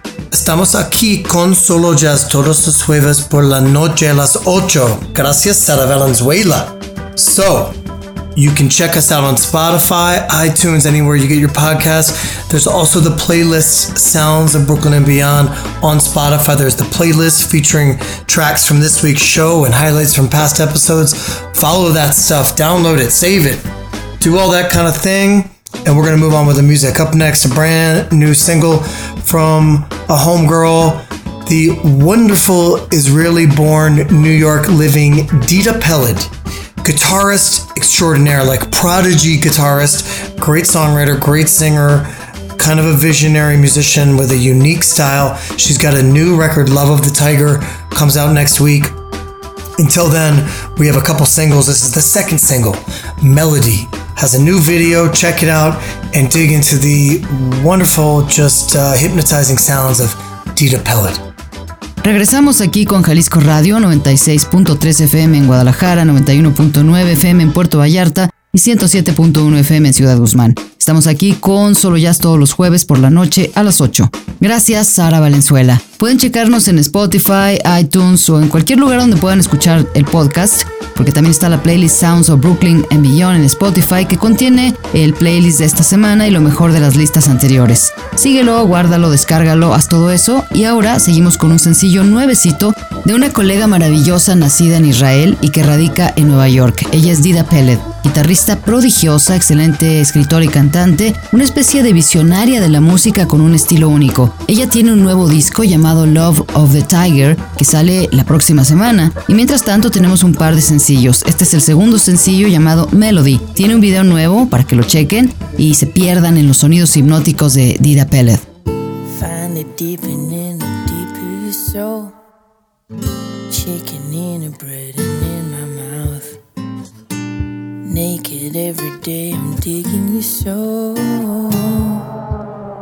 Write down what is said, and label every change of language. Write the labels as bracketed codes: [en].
[es] Estamos aquí con Solo Jazz todos los jueves por la noche a las 8, gracias Sara Valenzuela. [en] So, you can check us out on Spotify, iTunes, anywhere you get your podcasts. There's also the playlist Sounds of Brooklyn and Beyond on Spotify. There's the playlist featuring tracks from this week's show and highlights from past episodes. Follow that stuff. Download it. Save it. Do all that kind of thing. And we're going to move on with the music. Up next, a brand new single from a homegirl, the wonderful Israeli-born New York-living Dida Pelled. Guitarist extraordinaire, like prodigy guitarist, great songwriter, great singer, kind of a visionary musician with a unique style. She's got a new record, Love of the Tiger, comes out next week. Until then, we have a couple singles. This is the second single, Melody, has a new video. Check it out and dig into the wonderful, just hypnotizing sounds of Dida Pelled. [es] Regresamos aquí con Jalisco Radio, 96.3 FM en Guadalajara, 91.9 FM en Puerto Vallarta y 107.1 FM en Ciudad Guzmán. Estamos aquí con Solo Jazz todos los jueves por la noche a las 8. Gracias, Sara Valenzuela. Pueden checarnos en Spotify, iTunes o en cualquier lugar donde puedan escuchar el podcast, porque también está la playlist Sounds of Brooklyn and Beyond en Spotify, que contiene el playlist de esta semana y lo mejor de las listas anteriores. Síguelo, guárdalo, descárgalo, haz todo eso. Y ahora seguimos con un sencillo nuevecito de una colega maravillosa nacida en Israel y que radica en Nueva York. Ella es Dida Pelled, guitarrista prodigiosa, excelente escritora y cantante, una especie de visionaria de la música con un estilo único. Ella tiene un nuevo disco llamado Love of the Tiger, que sale la próxima semana. Y mientras tanto tenemos un par de sencillos. Este es el segundo sencillo llamado Melody. Tiene un video nuevo para que lo chequen y se pierdan en los sonidos hipnóticos de Dida Pelled. [en] Find it deep in the deep of your soul. Chicken in a bread and in my mouth. Naked every day I'm digging your soul.